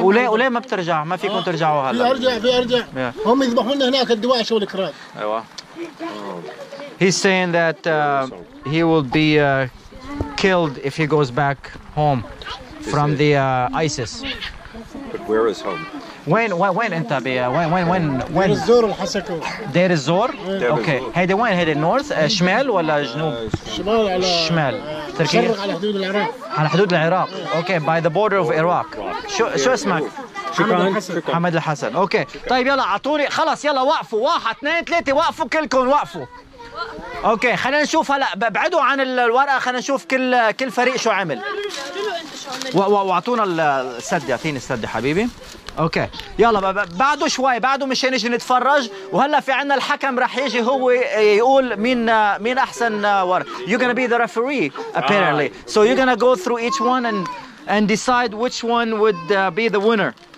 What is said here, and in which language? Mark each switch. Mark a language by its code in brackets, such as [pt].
[ar] وليه ما بترجع؟ ما فيكم ترجعوا هلا. بيرجع yeah. هم يذبحونا هناك الدواعش والكراد. ايوه. Oh. [en] He's saying that he will be killed if he goes back home from the ISIS. But where is home? When انت بي when [ar] دير الزور الحسكه. دير الزور. اوكي هيدا وين؟ هيدا نورث شمال ولا جنوب؟ شمال. على شمال تركيا. على حدود العراق. على حدود العراق. [en] Okay by the border of العراق. [ar] شو اسمك؟ محمد الحسن. اوكي طيب يلا اعطوني خلص. يلا وقفوا. واحد اثنين ثلاثه وقفوا كلكم. وقفوا. اوكي خلينا نشوف هلا، ابعدوا عن الورقه، خلينا نشوف كل فريق شو عمل. واعطونا السد. اعطيني السد حبيبي. اوكي يلا بعده شوي، بعده مشان نجي نتفرج. وهلا في عنا الحكم رح يجي هو يقول مين احسن ورق. [en] You're gonna be the referee apparently. So you're gonna go through each one and decide which one would be the winner.